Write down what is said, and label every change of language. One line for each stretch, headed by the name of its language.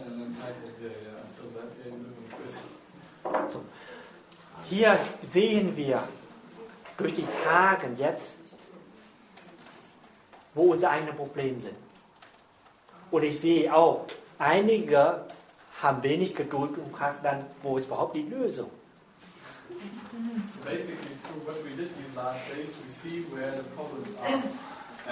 English: And then I said, yeah, until that we live in a prison.
German: Hier sehen wir durch die Tage jetzt, wo unsere eigenen Probleme sind. Und ich sehe auch, einige haben wenig Geduld und fragen dann, wo ist überhaupt die Lösung?
English: So basically, through what we did these last days, we see where the problems are.